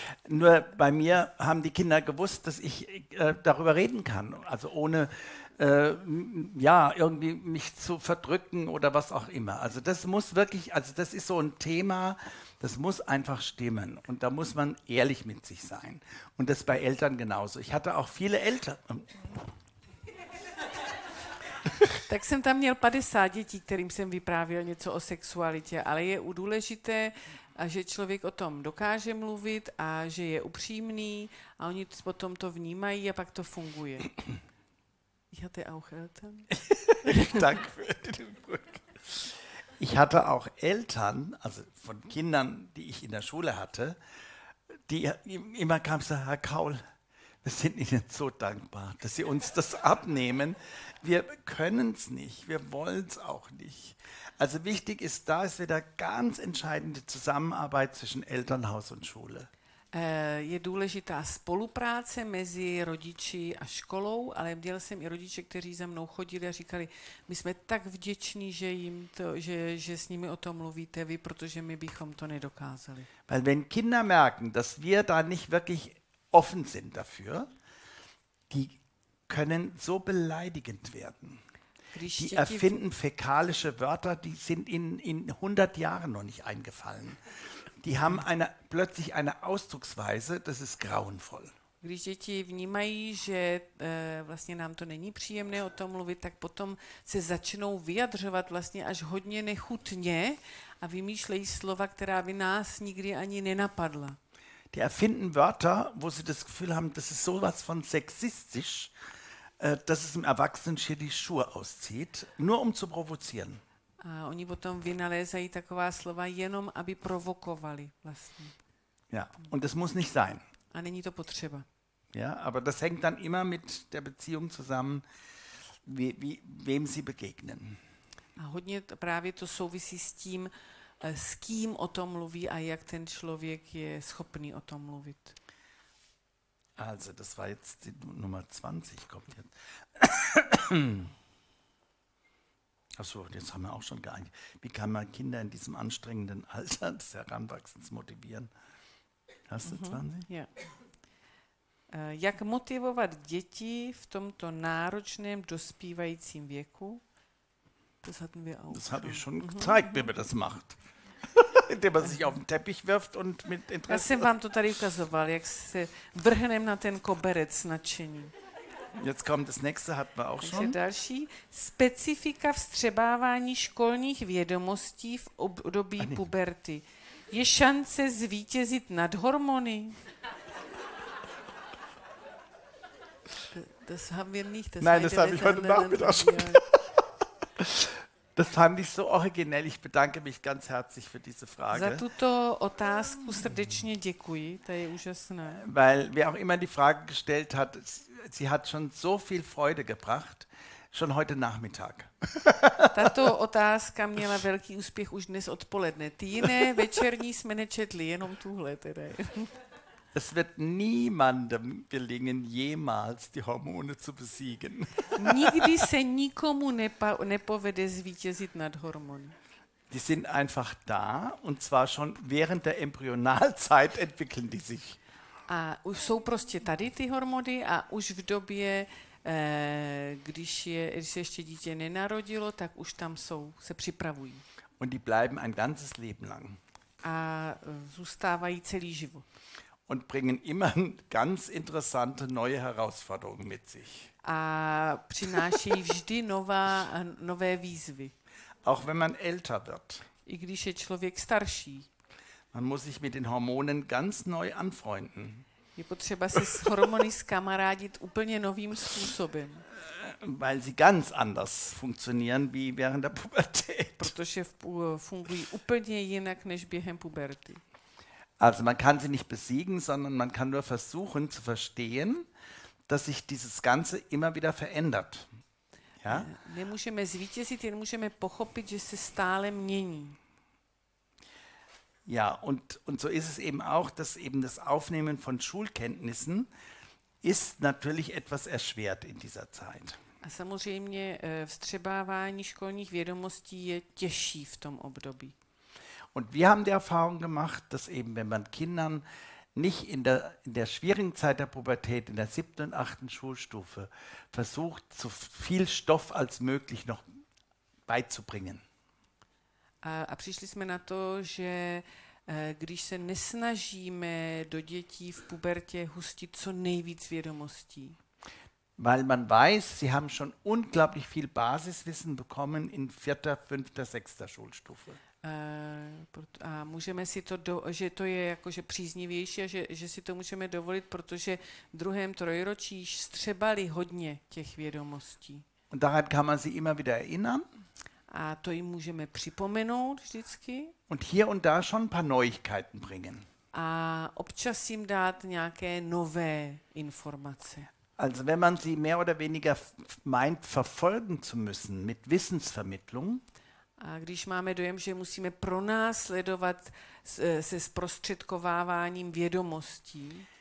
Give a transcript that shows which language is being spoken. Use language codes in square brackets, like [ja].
[de] Nur bei mir haben die Kinder gewusst, dass ich darüber reden kann, also ohne ja, irgendwie mich zu verdrücken oder was auch immer. Also das muss wirklich, also das ist so ein Thema, das muss einfach stimmen und da muss man ehrlich mit sich sein. Und das bei Eltern genauso. Ich hatte auch viele Eltern... [cs] Tak jsem tam měl 50 dětí, kterým jsem vyprávěl něco o sexualitě, ale je důležité, že člověk o tom dokáže mluvit a že je upřímný a oni potom to vnímají a pak to funguje. [de] Ich hatte auch Eltern. Danke für den Glück. Ich hatte auch Eltern, also von Kindern, die ich in der Schule hatte, die immer kam so, Herr Kaul, wir sind Ihnen so dankbar, dass Sie uns das abnehmen. Wir können es nicht, wir wollen es auch nicht. Also wichtig ist, da ist wieder ganz entscheidende Zusammenarbeit zwischen Elternhaus und Schule. [cs] Je důležitá spolupráce mezi rodiči a školou, ale měl jsem i rodiče, kteří za mnou chodili a říkali, my jsme tak vděční, že, jim to, že s nimi o tom mluvíte vy, protože my bychom to nedokázali. [de] Weil wenn Kinder merken, dass wir da nicht wirklich offen sind dafür, die können so beleidigend werden. Die erfinden fäkalische Wörter, die sind ihnen in 100 Jahren noch nicht eingefallen. Die haben eine, plötzlich eine Ausdrucksweise, das ist grauenvoll. [cs] Když děti vnímají, že vlastně nám to není příjemné o tom mluvit, tak potom se začnou vyjadřovat vlastně až hodně nechutně a vymýšlejí slova, která by nás nikdy ani nenapadla. [de] Die erfinden Wörter, wo sie das Gefühl haben, das ist sowas von sexistisch, dass es im Erwachsenen hier die Schuhe auszieht, nur um zu provozieren. [cs] A oni potom vynalézají taková slova jenom, aby provokovali vlastně. [de] Ja, und das muss nicht sein. [cs] A není to potřeba. [de] Ja, aber das hängt dann immer mit der Beziehung zusammen, wem sie begegnen. [cs] A hodně právě to souvisí s tím, s kým o tom mluví a jak ten člověk je schopný o tom mluvit. [de] Also, das war jetzt die Nummer 20, kommt jetzt. Achso, jetzt haben wir auch schon geeinigt. Wie kann man Kinder in diesem anstrengenden Alter des Heranwachsens motivieren? Hast du 20? Ja. [cs] Jak motivovat děti v tomto náročném dospívajícím věku? [de] Das hatten wir auch. Das habe ich schon gezeigt, wie man das macht. Indem man sich auf den Teppich wirft und mit Interesse. [cs] Já jsem vám to tady ukazoval, jak se vrhnem na ten koberec nadšení. [de] Jetzt kommt das nächste, hatten wir auch schon. [cs] Další. Specifika vstřebávání školních vědomostí v období puberty. Je šance zvítězit nad hormony? [de] Das haben wir nicht. Das Nein, das habe ich heute Nachmittag schon. Das fand ich so originell. Ich bedanke mich ganz herzlich für diese Frage. [cs] Za tuto otázku srdečně děkuji. To je úžasné. [de] Weil wer auch immer die Frage gestellt hat, sie hat schon so viel Freude gebracht, schon heute Nachmittag. [cs] Tato otázka měla velký úspěch už dnes odpoledne. Ty jiné večerní jsme nečetli, jenom tuhle tedy. [de] Es wird niemandem gelingen, jemals die Hormone zu besiegen. [cs] Nikdy se nikomu nepovede zvítězit nad hormony. [de] Die sind einfach da und zwar schon während der Embryonalzeit entwickeln die sich. [cs] A už jsou prostě tady ty hormony a už v době, když se ještě dítě nenarodilo, tak už tam jsou, se připravují. [de] Und die bleiben ein ganzes Leben lang. [cs] A zůstávají celý život. [de] Und bringen immer ganz interessante neue Herausforderungen mit sich. [cs] A přináší vždy nové výzvy. [de] Auch wenn man älter wird. [cs] i když je člověk starší. [de] Man muss sich mit den Hormonen ganz neu anfreunden. [cs] Je potřeba se s hormony skamarádit úplně novým způsobem. [de] Weil sie ganz anders funktionieren wie während der Pubertät. [cs] Protože fungují úplně jinak než během puberty. [de] Also man kann sie nicht besiegen, sondern man kann nur versuchen zu verstehen, dass sich dieses Ganze immer wieder verändert. Ja? [cs] Nemůžeme zvítězit, jen můžeme pochopit, že se stále mění. [de] Ja, und so ist es eben auch, dass eben das Aufnehmen von Schulkenntnissen ist natürlich etwas erschwert in dieser Zeit. [cs] A samozřejmě vstřebávání školních vědomostí je těžší v tom období. [de] Und wir haben die Erfahrung gemacht, dass eben, wenn man Kindern nicht in der schwierigen Zeit der Pubertät, in der siebten und achten Schulstufe, versucht, so viel Stoff als möglich noch beizubringen. [cs] A přišli jsme na to, že když se nesnažíme do dětí v pubertě hustit co nejvíc vědomostí. [de] Weil man weiß, sie haben schon unglaublich viel Basiswissen bekommen in vierter, fünfter, sechster Schulstufe. [cs] A můžeme si to, že to je jakože příznivější a že si to můžeme dovolit, protože v druhém trojročí střebali hodně těch vědomostí. [de] Und daran kann man sie immer wieder erinnern. [cs] A to jim můžeme připomenout vždycky. [de] Und hier und da schon ein paar Neuigkeiten bringen. [cs] A občas jim dát nějaké nové informace. [de] Also wenn man sie mehr oder weniger meint verfolgen zu müssen mit Wissensvermittlung. [cs] A když máme dojem, že musíme pronásledovat se zprostředkováváním vědomostí,